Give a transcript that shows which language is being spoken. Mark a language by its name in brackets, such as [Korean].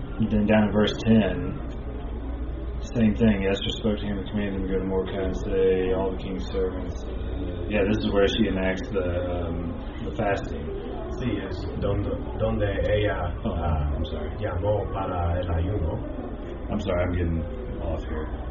[English] Then down in verse 10, same thing. Esther spoke to him, the commander, and go to Mordecai and say, all the king's servants. Yeah, this is where she enacts the fasting. [Spanish] Sí, es donde ella llamó para el ayuno. [English] I'm sorry, I'm getting off here.